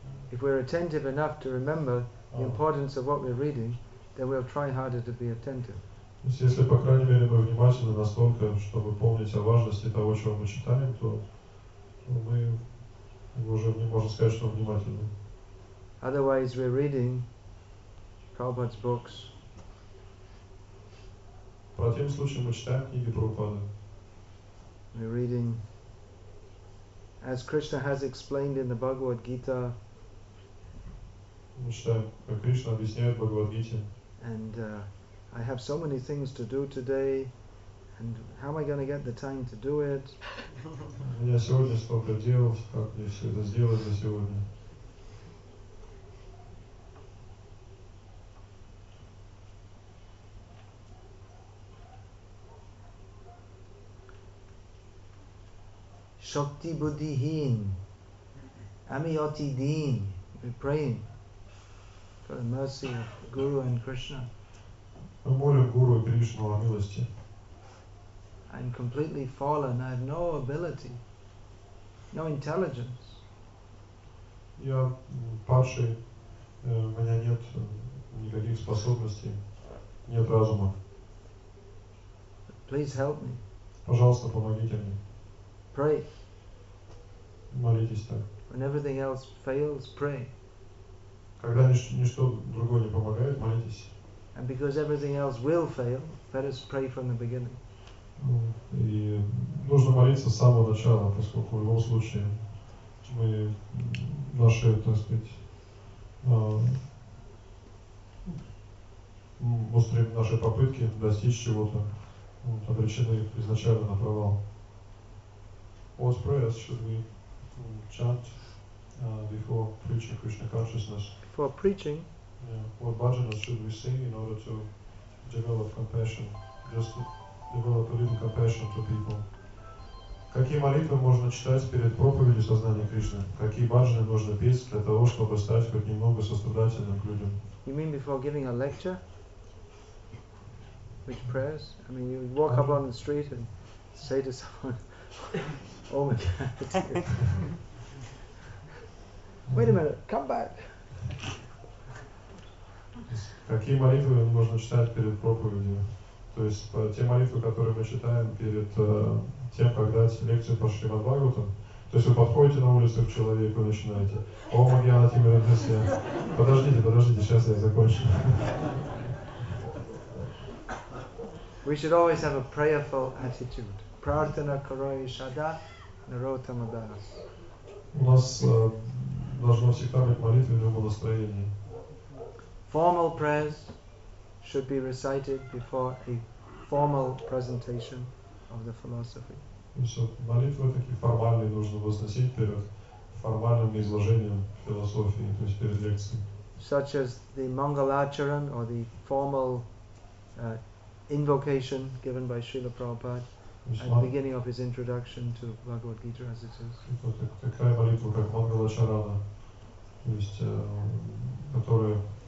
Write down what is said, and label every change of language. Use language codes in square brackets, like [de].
[en] if we're attentive enough to remember the importance of what we're reading, then we'll try harder to be attentive. [ru] То есть если, по крайней мере, мы внимательны настолько, чтобы помнить о важности того, чего мы читаем, то мы уже не можем сказать, что внимательны. [en] Otherwise, we're reading Prabhupada's books. [ru] В противном случае мы читаем книги Прабхупады. [en] We're reading, as Krishna has explained in the Bhagavad Gita. [ru] Мы читаем, как Кришна объясняет в Бхагавад Гите. [en] And I have so many things to do today, and how am I going to get the time to do it? [ru] У меня сегодня столько дел, как мне все это сделать за сегодня? [bn] Shakti buddhihin, ami ati din. [en] We're praying for the mercy of Guru and Krishna. [ru] Мы молим Гуру и Кришну о милости. [en] I'm completely fallen. I have no ability, no intelligence. [ru] Я падший, у меня нет никаких способностей, нет разума. [en] Please help me. [ru] Пожалуйста, помогите мне. [en] Pray. [ru] Молитесь так. [en] When everything else fails, pray. [ru] Когда ничто другое не помогает, молитесь. [en] And because everything else will fail, let us pray from the beginning. [ru] И нужно молиться с самого начала, поскольку в любом случае мы, наши, так сказать, наши попытки достичь чего-то обречены изначально на провал. [en] Let's pray, as should we chant before preaching Krishna consciousness. Before preaching? Yeah. What bhajanas should we sing in order to develop compassion? Just develop a little compassion to people. [ru] Какие молитвы можно читать перед проповедью сознания Кришны? Какие бхаджаны нужно петь для того, чтобы стать хоть немного сострадательным к людям? [en] You mean before giving a lecture? Which prayers? I mean, you walk up on the street and say to someone, oh my God. Wait a minute, come back. [ru] Какие молитвы можно читать перед проповедью? То есть те молитвы, которые мы читаем перед тем, когда лекцию по Шримад Бхагаватам. То есть вы подходите на улицу к человеку и начинаете. О, Магьяна Тимирадасия. Подождите, сейчас я закончу. [en] We should always have a prayerful attitude. [bn] Prarthana Karoi Shada [en] Narottama Das. [ru] У нас должно всегда быть молитва в любом настроении. [en] Formal prayers should be recited before a formal presentation of the philosophy. [ru] Молитвы такие формальные нужно возносить перед формальным изложением философии, то есть перед лекцией. [en] such as the Mangalacharan or the formal invocation given by Srila Prabhupada at the beginning of his introduction to Bhagavad Gita as it is.